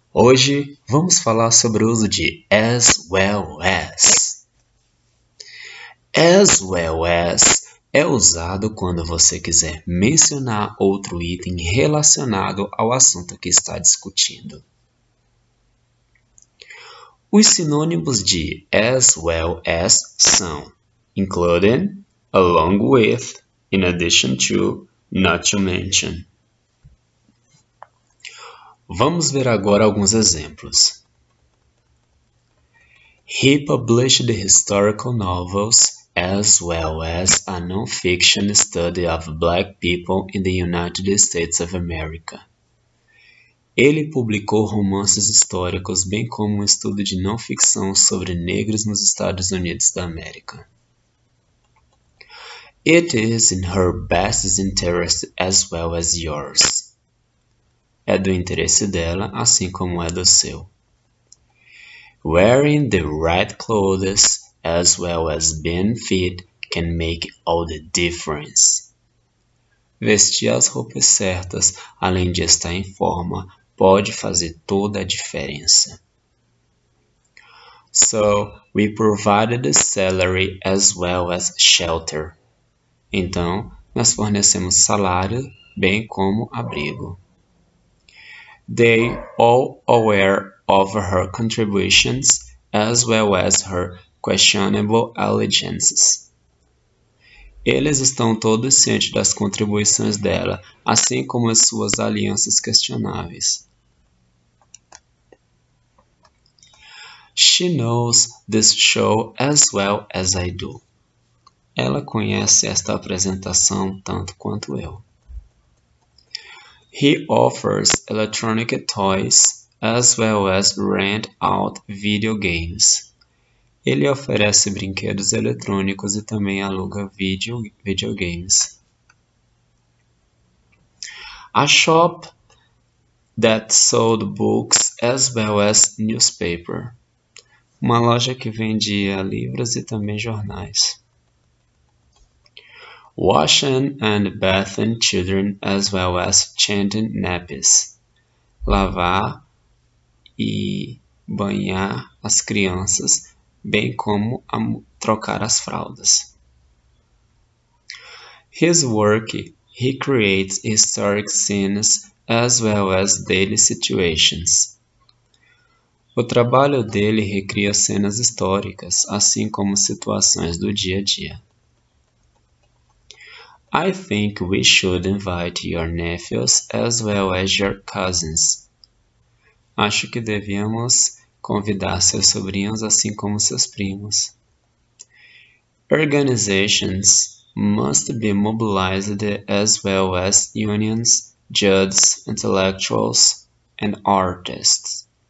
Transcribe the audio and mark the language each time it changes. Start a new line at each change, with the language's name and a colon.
Portuguese: Hoje vamos falar sobre o uso de as well as. As well as é usado quando você quiser mencionar outro item relacionado ao assunto que está discutindo. Os sinônimos de as well as são including, along with, in addition to, not to mention. Vamos ver agora alguns exemplos.
English: He published historical novels as well as a non-fiction study of black people in the United States of America.
Portuguese: Ele publicou romances históricos, bem como um estudo de não-ficção sobre negros nos Estados Unidos da América.
English: It is in her best interest as well as yours.
Portuguese: É do interesse dela, assim como é do seu.
English: Wearing the right clothes as well as being fit can make all the difference.
Portuguese: Vestir as roupas certas, além de estar em forma, pode fazer toda a diferença.
English: So, we provided the salary as well as shelter.
Portuguese: Então, nós fornecemos salário bem como abrigo.
English: They all aware of her contributions as well as her questionable allegiances.
Portuguese: Eles estão todos cientes das contribuições dela, assim como as suas alianças questionáveis.
English: She knows this show as well as I do.
Portuguese: Ela conhece esta apresentação tanto quanto eu.
English: He offers electronic toys as well as rent out video games.
Portuguese: Ele oferece brinquedos eletrônicos e também aluga videogames.
English: A shop that sold books as well as newspaper.
Portuguese: Uma loja que vendia livros e também jornais.
English: Washing and bathing children as well as changing nappies.
Portuguese: Lavar e banhar as crianças, bem como trocar as fraldas.
English: His work, he creates historic scenes as well as daily situations.
Portuguese: O trabalho dele recria cenas históricas, assim como situações do dia a dia.
English: I think we should invite your nephews as well as your cousins.
Portuguese: Acho que devemos convidar seus sobrinhos assim como seus primos.
English: Organizations must be mobilized as well as unions, judges, intellectuals and artists.